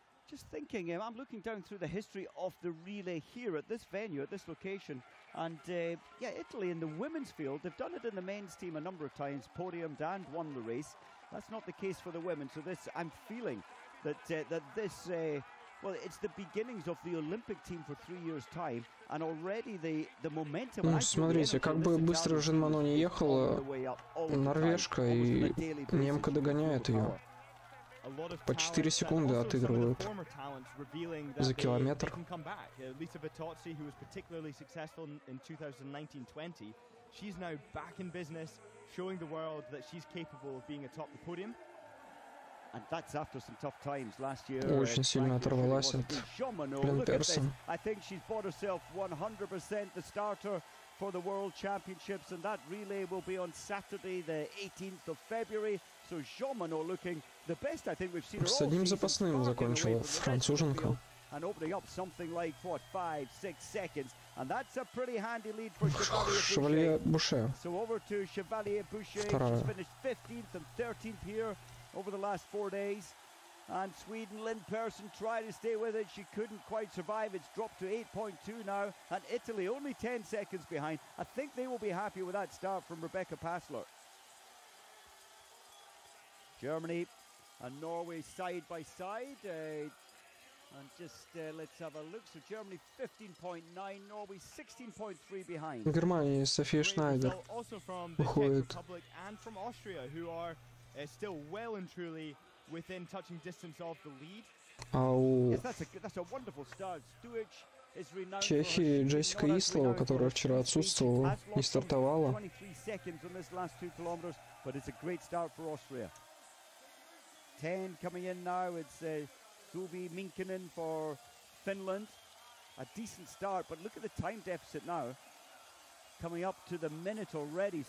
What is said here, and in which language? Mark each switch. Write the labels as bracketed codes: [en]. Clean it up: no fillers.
[en] Just thinking, I'm looking down through the history of the relay here at this venue, at this location, and yeah, Italy in the women's field, they've done it in the men's team a number of times, podiumed and won the race. That's not the case for the women, so this, I'm feeling that it's the beginnings of the Olympic team for 3 years' time, and already the momentum... [ru] Ну, смотрите, как бы быстро Жан-Мано не ехала, норвежка и немка догоняют ее. По 4 секунды отыгрывают за километр. [en] Лиса Витоци, who was particularly successful in 2019-20, she's now back in business, showing the world that she's capable of being atop the podium. And that's after some tough times last year. [ru] Очень сильно оторвалась от Лин Персон. [en] I think she's bought herself 100% the starter for the World Championships, and that relay will be on Saturday, the 18th of February. So Jomano looking the best I think we've seen her all. [ru] С одним запасным закончила француженка. [en] And opening up something like what, 5-6 seconds, and that's a pretty handy lead for Chevalier Boucher. So over to Chevalier Boucher. She's finished 15th and 13th here over the last 4 days. And Sweden, Lynn Persson tried to stay with it. She couldn't quite survive. It's dropped to 8.2 now. And Italy only 10 seconds behind. I think they will be happy with that start from Rebecca Passler. Germany and Norway side by side. And just let's have a look. So Germany 15.9, Norway 16.3 behind. [ru] Германия, София Шнайдер. [en] Also from the Czech Republic and from Austria, who are still well and truly within touching distance of the lead. That's a wonderful start. Stuic is renowned. [ru] Чехи, Джессика Истлова, которая вчера отсутствовала, не стартовала. [en] 23 seconds on this last 2 kilometers, but it's a great start for Austria. 10 coming in now. It's Suvi Minkinen for Finland. A decent start, but look at the time deficit now. Coming up to the minute already.